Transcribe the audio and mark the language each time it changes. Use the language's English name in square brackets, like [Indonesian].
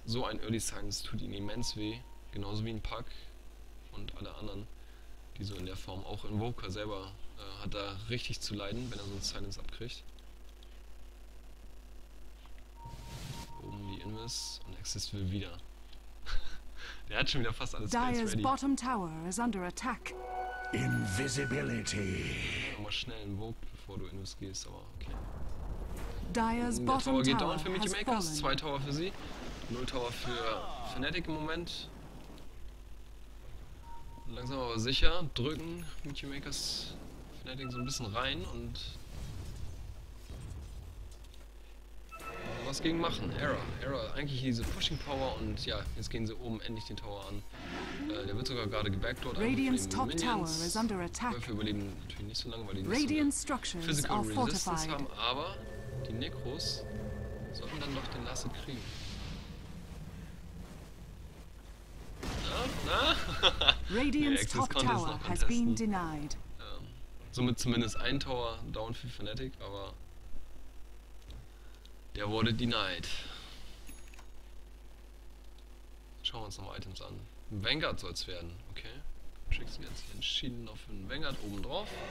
[German] So ein Early Silence tut ihn immens weh, genauso wie ein Puck. Und alle anderen, die so in der Form, auch Invoker selber, hat da richtig zu leiden, wenn er so ein Silence abkriegt. Oben die Invis und Exist will wieder. Der hat schon wieder fast alles ready. [English] Dire's bottom tower is under attack. Invisibility. [German] Mal schnell Invoke, bevor du Invis gehst, aber okay. Dire's bottom tower geht down für Meteor Makers, zwei Tower für sie, null Tower für Fnatic im Moment. Langsam aber sicher drücken Meteor Makers Fnatic so ein bisschen rein und was gegen machen. Error, eigentlich diese Pushing Power und ja, jetzt gehen sie oben endlich den Tower an. Der wird sogar gerade gebackdoort. [English] Radiant's top tower is under attack. [German] Wir überleben natürlich nicht so lange, weil die Radiant Structures Physical Resistance haben, aber die Necros sollten dann noch den Lasso kriegen. Na? [English] Radiant's top tower has been denied. [German] Somit zumindest ein Tower down für Fnatic, aber der wurde denied. Schauen wir uns nochmal Items an. Vanguard soll es werden, okay. Tricks sind jetzt entschieden noch für einen Vanguard oben drauf.